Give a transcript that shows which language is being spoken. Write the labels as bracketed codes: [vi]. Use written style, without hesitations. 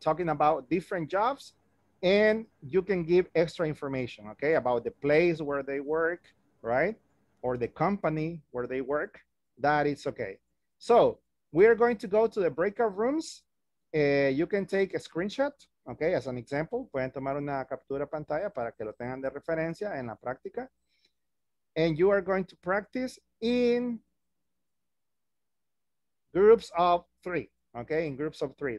[en] Talking about different jobs, and you can give extra information, okay? About the place where they work, right? Or the company where they work, that is okay. So we're going to go to the breakout rooms. You can take a screenshot, okay, as an example. [es] Pueden tomar una captura pantalla para que lo tengan de referencia en la práctica. [en] And you are going to practice in groups of three, okay, in groups of three.